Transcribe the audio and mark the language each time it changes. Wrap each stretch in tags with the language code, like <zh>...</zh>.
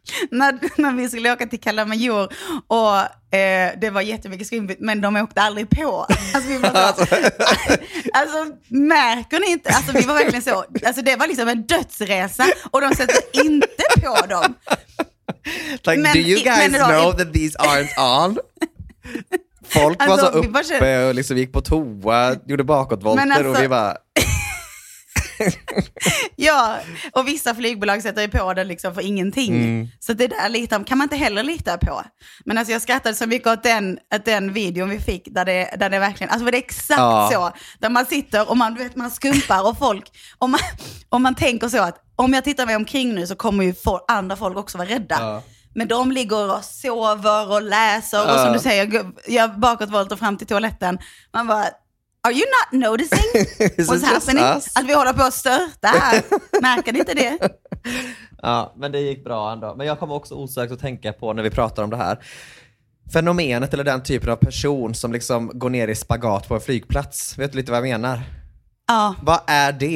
<sv>När vi skulle åka till Kalamajor och det var jättemycket skumpigt, men de åkte aldrig på. Alltså, vi var så, alltså märker ni inte? Alltså, vi var verkligen så. Alltså, det var liksom en dödsresa och de sätter inte på dem.</sv> <en>Like, men, do you guys know that these aren't on?</en> <sv>Folk alltså, var så uppe och liksom gick på toa, gjorde bakåtvolter, men alltså, och vi bara... Ja, och vissa flygbolag sätter ju på den liksom för ingenting. Mm. Så det där lite kan man inte heller lita på. Men alltså jag skrattade så mycket åt den videon vi fick där det verkligen, alltså det är exakt, ja, så där man sitter och man vet man skumpar och folk om man tänker så att om jag tittar mig omkring nu så kommer ju andra folk också vara rädda. Ja. Men de ligger och sover och läser och som du säger jag bakåt valt och fram till toaletten. Man bara,</sv> <en>are you not noticing what's happening?</en> <sv>Att vi håller på att störta här. Märker ni inte det? Ja, men det gick bra ändå. Men jag kommer också osökt att tänka på när vi pratar om det här. Fenomenet eller den typen av person som liksom går ner i spagat på en flygplats. Vet du lite vad jag menar? Ja. Vad är det?</sv>